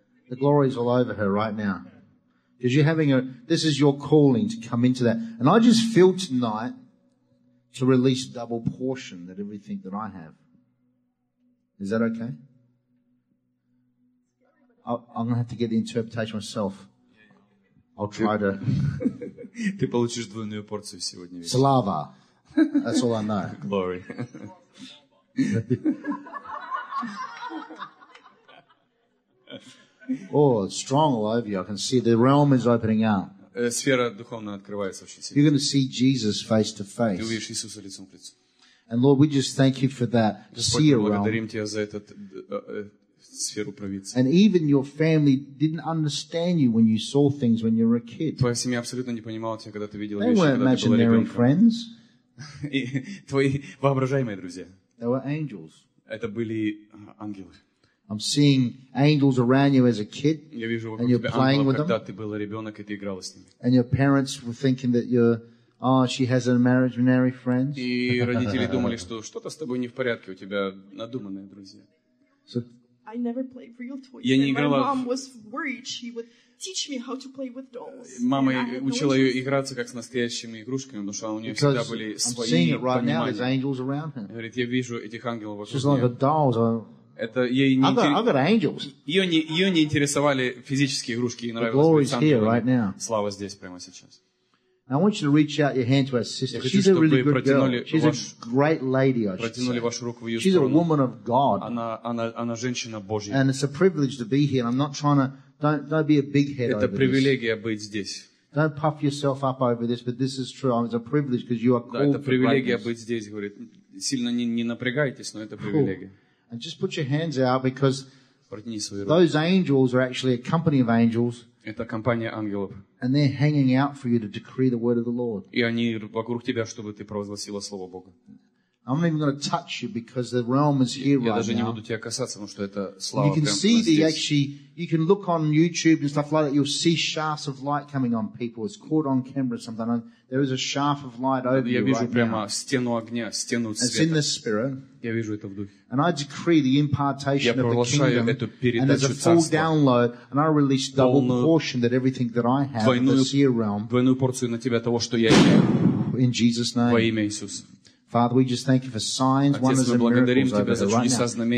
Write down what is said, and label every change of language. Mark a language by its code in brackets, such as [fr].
[en] The glory's all over her right now. Because you're having a. This is your calling to come into that. And I just feel tonight to release double portion that everything that I have. Is that okay? I'm going to have to get the interpretation myself. I'll try to. [ru] Ты получишь двойную порцию сегодня вечером. Слава. [en] That's all I know. Glory. Oh, it's strong all over you. I can see the realm is opening up. [ru] Сфера духовная открывается очень сильно. [en] You're going to see Jesus face to face. [ru] Ты увидишь Иисуса лицом к лицу. [en] And Lord, we just thank you for that. To see your realm. [ru] Благодарим тебя за этот. Сферу провидца. [en] And even your family didn't understand you when you saw things when you were a kid. [ru] Твоя семья абсолютно не понимала тебя, когда ты видел вещи, когда ты был ребенком. [en] They were imaginary friends. [ru] Твои воображаемые друзья. [en] They were angels. [ru] Это были ангелы. [en] I'm seeing angels around you as a kid. [ru] Я вижу вокруг тебя ангелов, когда ты был ребенок и ты играл с ними. [en] And your parents were thinking that she has imaginary friends. [ru] И родители думали, что что-то с тобой не в порядке, у тебя надуманные друзья. [en] I never played real toys. [ru] Я не играла. [en] My mom was worried she would teach me how to play with dolls. [ru] Мама учила ее играться как с настоящими игрушками, потому что у нее всегда были свои понимания. Говорит, я вижу этих ангелов вокруг. [en] She's like a doll. [ru] Это ей не. [en] I got angels. [ru] Ее не интересовали физические игрушки, ей нравилось быть ангелом. Слава здесь прямо сейчас. [en] I want you to reach out your hand to our sister. She's a really good girl. She's a great lady, I should say. She's a woman of God. [ru] Она женщина Божья. [en] And it's a privilege to be here. I'm not trying to. Don't be a big head over this. [ru] Это привилегия быть здесь. [en] Don't puff yourself up over this, but this is true. It's a privilege because you are called. [ru] Да, это привилегия быть здесь, говорит. Сильно не напрягайтесь, но это привилегия. [en] And just put your hands out because [ru] протяни свои руки. [en] Those angels are actually a company of angels. [ru] Это компания ангелов. [en] And they're hanging out for you to decree the word of the Lord. [ru] И они вокруг тебя, чтобы ты провозгласила слово Бога. [en] I'm not even going to touch you because the realm is here right now. [ru] Я даже не буду тебя касаться, потому что это слава. [en] You can see the actually, you can look on YouTube and stuff like that. You'll see shafts of light coming on people. It's caught on camera something. There is a shaft of light over you right now. [ru] Я вижу прямо стену огня, стену света. [en] It's in the spirit. [ru] Я вижу это в духе. [en] And I decree the impartation of the kingdom. [ru] Я провозглашаю эту передачу царства. [en] And there's a full download, and I release double portion that everything that I have in this here realm. [ru] Двойную порцию на тебя того, что я имею. [en] In Jesus' name. [ru] Во имя Иисуса. [en] Father, we just thank you for signs, wonders, and miracles over here right now.